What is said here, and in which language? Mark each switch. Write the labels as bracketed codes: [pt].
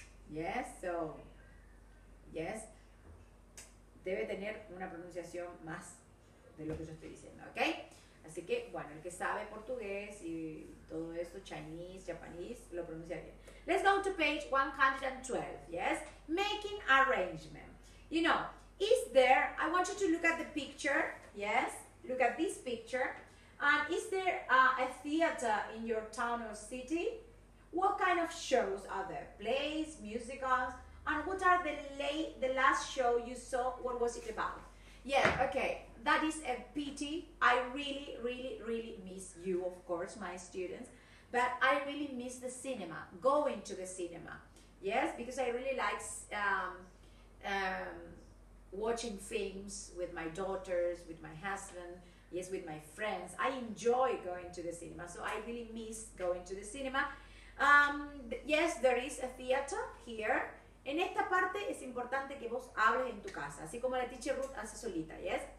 [es] Yes, so, yes, debe tener una pronunciación más de lo que yo estoy diciendo, ¿ok? Así que, bueno, el que sabe portugués y todo eso, Chinese, Japanese, lo pronuncia bien. [en] Let's go to page 112, yes? Making arrangement. You know, is there, I want you to look at the picture, yes? Look at this picture. And is there a theater in your town or city? What kind of shows are there? Plays, musicals, and what are the last show you saw? What was it about? Yeah, okay, that is a pity. I really, really, really miss you, of course, my students, but I really miss the cinema, going to the cinema. Yes, because I really like watching films with my daughters, with my husband, yes, with my friends. I enjoy going to the cinema, so I really miss going to the cinema. Yes, there is a theater here. [es] En esta parte es importante que vos hables en tu casa, así como la teacher Ruth hace solita, yes?